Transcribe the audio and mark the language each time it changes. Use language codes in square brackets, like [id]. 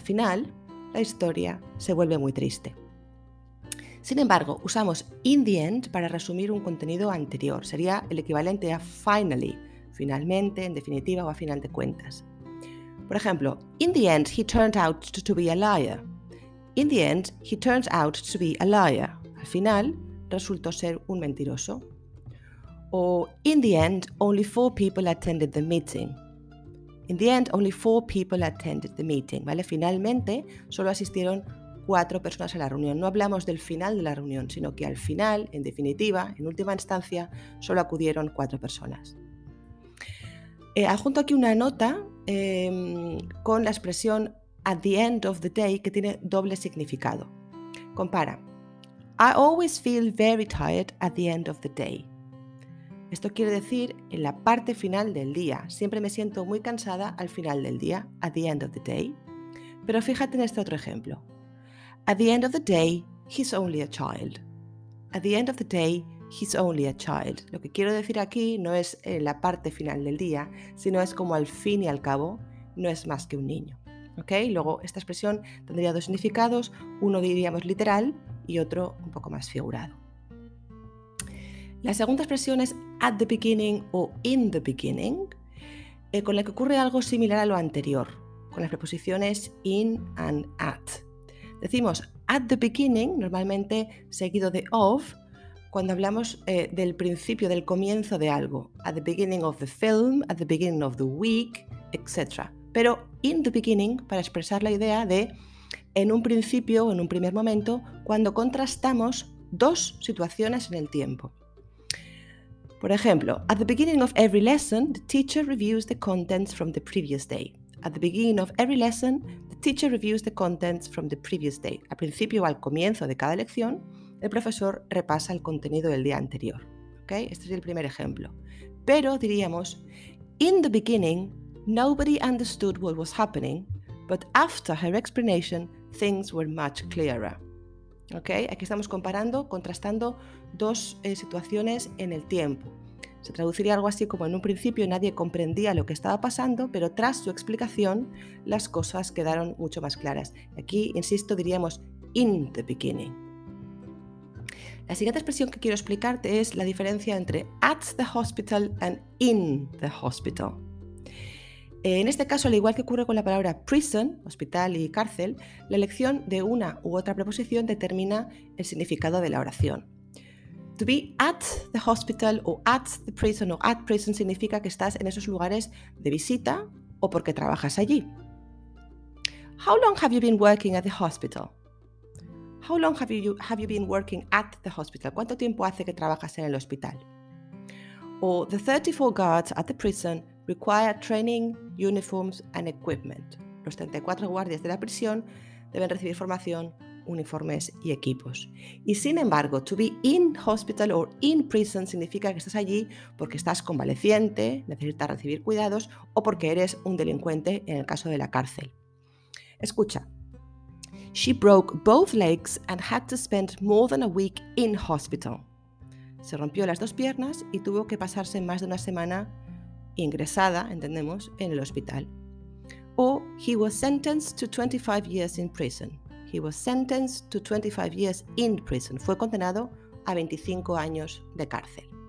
[es] Al final, la historia se vuelve muy triste. Sin embargo, usamos [en] in the end [es] para resumir un contenido anterior. Sería el equivalente a finally, finalmente, en definitiva o a final de cuentas. Por ejemplo, [en] in the end he turned out to be a liar. In the end he turns out to be a liar. [es] Al final resultó ser un mentiroso. [en] O in the end only four people attended the meeting. In the end, only four people attended the meeting. [es] ¿Vale? Finalmente, solo asistieron cuatro personas a la reunión. No hablamos del final de la reunión, sino que al final, en definitiva, en última instancia, solo acudieron cuatro personas. Adjunto aquí una nota con la expresión [en] at the end of the day, [es] que tiene doble significado. Compara. [en] I always feel very tired at the end of the day. [es] Esto quiere decir en la parte final del día. Siempre me siento muy cansada al final del día, [en] at the end of the day. [es] Pero fíjate en este otro ejemplo. [en] At the end of the day, he's only a child. At the end of the day, he's only a child. [es] Lo que quiero decir aquí no es en la parte final del día, sino es como al fin y al cabo, no es más que un niño. ¿Okay? Luego, esta expresión tendría dos significados. Uno diríamos literal y otro un poco más figurado. La segunda expresión es [en] at the beginning [es] o [en] in the beginning, [es] con la que ocurre algo similar a lo anterior, con las preposiciones [en] in and at. [es] Decimos [en] at the beginning, [es] normalmente seguido de of, cuando hablamos del principio, del comienzo de algo. [en] At the beginning of the film, at the beginning of the week, etc. [es] Pero [en] in the beginning, [es] para expresar la idea de en un principio o en un primer momento, cuando contrastamos dos situaciones en el tiempo. Por ejemplo, [en] at the beginning of every lesson, the teacher reviews the contents from the previous day. At the beginning of every lesson, the teacher reviews the contents from the previous day. [es] Al principio o al comienzo de cada lección, el profesor repasa el contenido del día anterior. ¿Okay? Este es el primer ejemplo. Pero diríamos, [en] in the beginning, nobody understood what was happening, but after her explanation, things were much clearer. ¿Okay? [es] Aquí estamos comparando, contrastando dos situaciones en el tiempo. Se traduciría algo así como en un principio nadie comprendía lo que estaba pasando, pero tras su explicación las cosas quedaron mucho más claras. Aquí, insisto, diríamos [en] in the beginning. [es] La siguiente expresión que quiero explicarte es la diferencia entre [en] at the hospital and in the hospital. [es] En este caso, al igual que ocurre con la palabra prison, hospital y cárcel, la elección de una u otra preposición determina el significado de la oración. [en] To be at the hospital [es] o [en] at the prison [es] o [en] at prison [es] significa que estás en esos lugares de visita o porque trabajas allí. [en] How long have you been working at the hospital? How long have you been working at the hospital? [es] ¿Cuánto tiempo hace que trabajas en el hospital? [en] O the 34 guards at the prison require training, uniforms and equipment. [es] Los 34 guardias de la prisión deben recibir formación, uniformes y equipos. Y sin embargo, [en] to be in hospital or in prison [es] significa que estás allí porque estás convaleciente, necesitas recibir cuidados o porque eres un delincuente en el caso de la cárcel. Escucha. [en] She broke both legs and had to spend more than a week in hospital. [es] Se rompió las dos piernas y tuvo que pasarse más de una semana ingresada, entendemos, en el hospital. [en] O he was sentenced to 25 years in prison. He was sentenced to 25 years in prison. [es] Fue condenado a 25 años de cárcel.